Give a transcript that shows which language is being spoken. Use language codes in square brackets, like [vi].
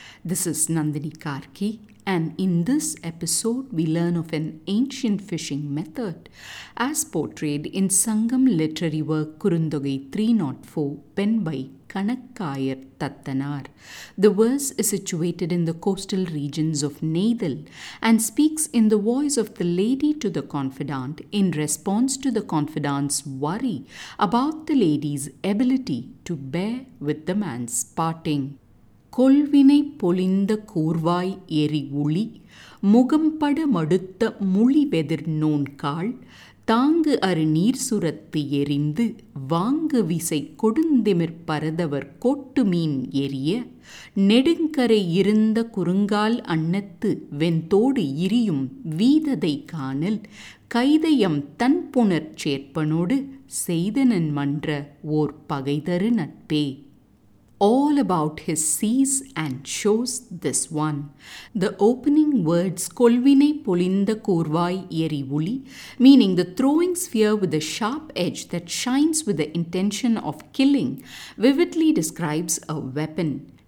[en] This is Nandini Karki, and in this episode we learn of an ancient fishing method as portrayed in Sangam literary work Kurundogai 304 penned by Kanakkayar Tattanar. The verse is situated in the coastal regions of Nadal and speaks in the voice of the lady to the confidant in response to the confidant's worry about the lady's ability to bear with the man's parting. [ta] கொல்வினை பொலிந்த கூர்வாய் எரி உளி முகம்பட மடுத்த முழிவெதிர் நோன்கால் தாங்கு அரு நீர் சுரத்து எரிந்து வாங்கு விசை கொடுந்திமிர் பரதவர் கோட்டு மீன் எரிய நெடுங்கரை இருந்த குறுங்கால் அன்னத்து வெண்தோடு இரியும் வீததை காணல் கைதயம் தன் புனர் சேர்ப்பனோடு செய்தனன் மன்ற ஓர் பகைதரு நட்பே. [en] All about his seas and shows this one. The opening words [ta] Kolvinai Polinda Korvai Eri Uli, [en] meaning the throwing spear with a sharp edge that shines with the intention of killing, vividly describes a weapon.